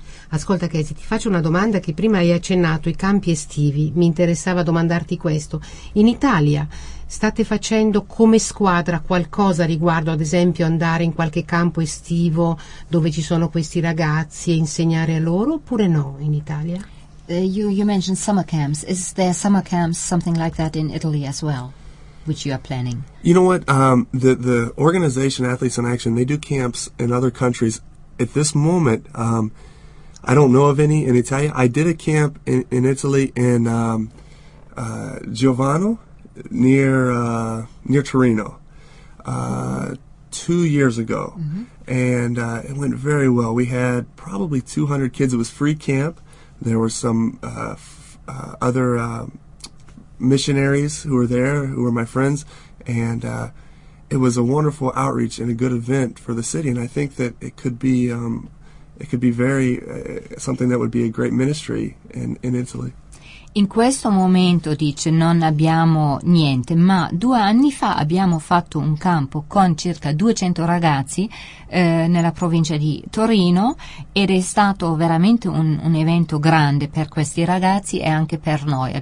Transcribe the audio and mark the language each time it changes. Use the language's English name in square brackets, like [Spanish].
[Italian] Ascolta Casey, ti faccio una domanda che prima hai accennato, i campi estivi. Mi interessava domandarti questo. In Italia state facendo come squadra qualcosa riguardo, ad esempio, andare in qualche campo estivo dove ci sono questi ragazzi e insegnare a loro, oppure no in Italia? [English] You mentioned summer camps. Is there summer camps, something like that in Italy as well, which you are planning? You know what? The organization Athletes in Action, they do camps in other countries. At this moment, I don't know of any in Italy. I did a camp in Italy in Giovano, near Torino, 2 years ago. Mm-hmm. And it went very well. We had probably 200 kids. It was free camp. There were some other missionaries who were there, who were my friends, and it was a wonderful outreach and a good event for the city. And I think that it could be very something that would be a great ministry in Italy. [Italian] In questo momento, dice, non abbiamo niente, ma 2 anni fa abbiamo fatto un campo con circa 200 ragazzi nella provincia di Torino, ed è stato veramente un evento grande per questi ragazzi e anche per noi.